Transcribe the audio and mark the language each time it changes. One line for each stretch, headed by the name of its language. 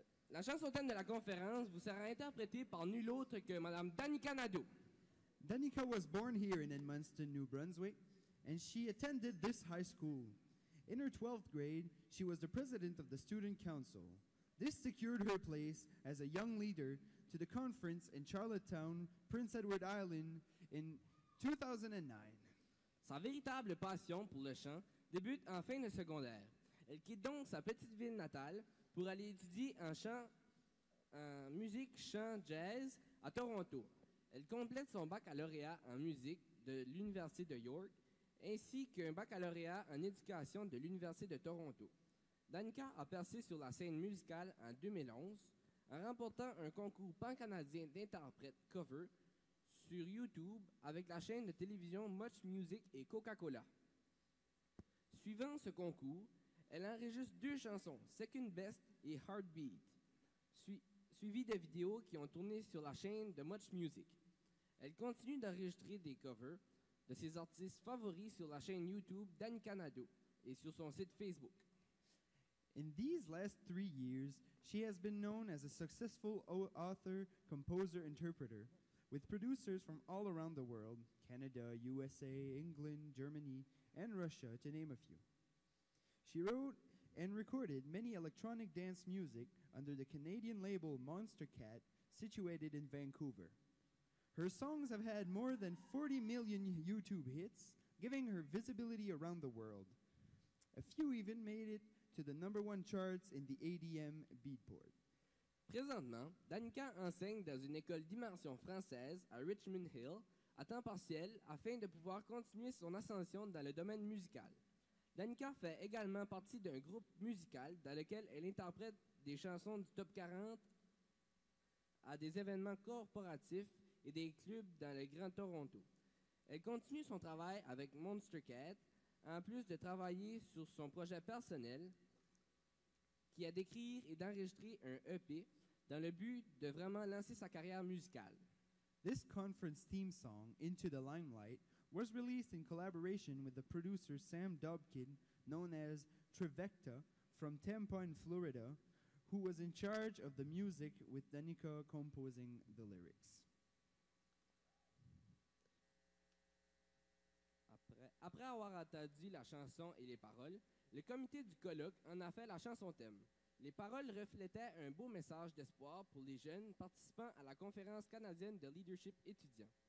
French: La chanson thème de la conférence vous sera interprétée par nul autre que Madame Danica Nadeau.
English: Danica was born here in Edmundston, New Brunswick, and she attended this high school. In her 12th grade, she was the president of the student council. This secured her place as a young leader to the conference in Charlottetown, Prince Edward Island, in 2009.
French: Sa véritable passion pour le chant débute en fin de secondaire. Elle quitte donc sa petite ville natale pour aller étudier en chant, en musique, chant, jazz à Toronto. Elle complète son baccalauréat en musique de l'Université de York ainsi qu'un baccalauréat en éducation de l'Université de Toronto. Danica a percé sur la scène musicale en 2011 en remportant un concours pan-canadien d'interprète cover sur YouTube avec la chaîne de télévision Much Music et Coca-Cola. Suivant ce concours, elle enregistre deux chansons, Second Best et Heartbeat, suivi de vidéos qui ont tourné sur la chaîne de Much Music. Elle continue d'enregistrer des covers de ses artistes favoris sur la chaîne YouTube Danica Nadeau et sur son site Facebook.
English: In these last 3 years, she has been known as a successful author, composer, interpreter, with producers from all around the world, Canada, USA, England, Germany, and Russia, to name a few. She wrote and recorded many electronic dance music under the Canadian label Monster Cat, situated in Vancouver. Her songs have had more than 40 million YouTube hits, giving her visibility around the world. A few even made it to the number one charts in the ADM Beatport.
French: Présentement, Danica enseigne dans une école d'immersion française à Richmond Hill à temps partiel afin de pouvoir continuer son ascension dans le domaine musical. Danica fait également partie d'un groupe musical dans lequel elle interprète des chansons du top 40 à des événements corporatifs et des clubs dans le Grand Toronto. Elle continue son travail avec Monster Cat, en plus de travailler sur son projet personnel, qui est d'écrire et d'enregistrer un EP dans le but de vraiment lancer sa carrière musicale.
English: This conference theme song, Into the Limelight, was released in collaboration with the producer Sam Dobkin, known as Trevecta, from Tampa in Florida, who was in charge of the music with Danica composing the lyrics.
French: Après avoir entendu la chanson et les paroles, le comité du colloque en a fait la chanson thème. Les paroles reflétaient un beau message d'espoir pour les jeunes participants à la conférence canadienne de leadership étudiant.